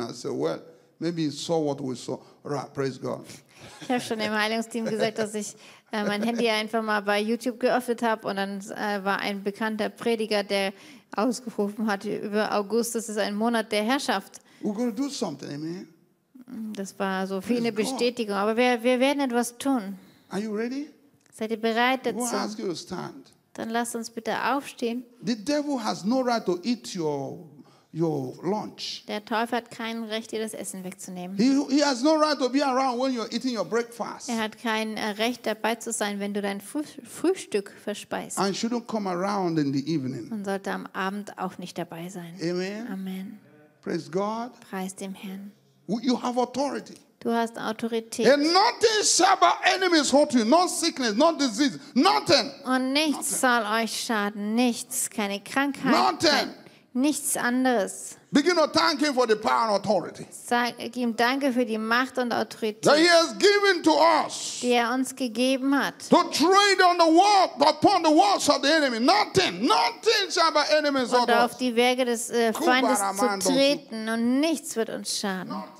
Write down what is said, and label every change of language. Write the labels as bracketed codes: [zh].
[en] I said, well, maybe he saw what we saw. Right, praise God. [de] Ich habe schon im Heilungsteam gesagt, dass ich mein Handy einfach mal bei YouTube geöffnet habe und dann war ein bekannter Prediger, der ausgerufen hat über August, das ist ein Monat der Herrschaft. [en] We're going to do something, amen. [de] Das war so praise viel eine Bestätigung, God. Aber wir werden etwas tun. [en] Are you ready? [de] Seid ihr bereit dazu? [en] We'll ask you to stand. [de] Dann lasst uns bitte aufstehen. [en] The devil has no right to eat your lunch. [de] Der Teufel hat kein Recht, dir das Essen wegzunehmen. [en] He has no right to be around when you're eating your breakfast. [de] Er hat kein Recht, dabei zu sein, wenn du dein Frühstück verspeist. [en] And shouldn't come around in the evening. [de] Und sollte am Abend auch nicht dabei sein. [en] Amen. Amen. Praise God. [de] Preis dem Herrn. [en] You have authority. [de] Du hast Autorität. [en] And nothing shall by enemies hurt you. No sickness, no disease, nothing. [de] Und nichts soll euch schaden. Nichts, keine Krankheit. [en] Nothing. [de] Nichts anderes. [en] Begin to thank him for the power and authority. [de] Sag ihm Danke für die Macht und Autorität. [en] That he has given to us. [de] Die uns gegeben hat. [en] To trade on the walls, upon the walls of the enemy. Nothing shall by enemies hurt us. [de] Und auf die Werke des Feindes zu treten und nichts wird uns schaden.